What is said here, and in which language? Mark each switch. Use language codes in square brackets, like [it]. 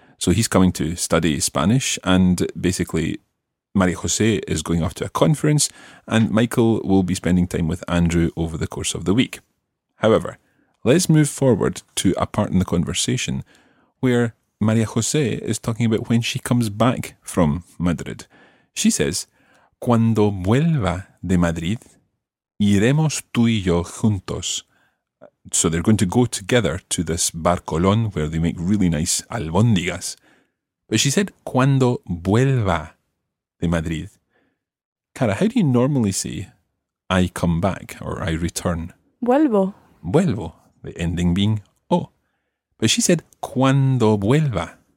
[en] So he's coming to study Spanish, and basically María José is going off to a conference, and Michael will be spending time with Andrew over the course of the week. However, let's move forward to a part in the conversation where María José is talking about when she comes back from Madrid. She says... [es] cuando vuelva de Madrid, iremos tú y yo juntos. [en] So they're going to go together to this Bar Colón where they make really nice albóndigas. But she said, [es] cuando vuelva de Madrid. [en] Cara, how do you normally say, I come back or I return? [es] Vuelvo. [en] Vuelvo, the ending being O. But she said, [es] cuando vuelva.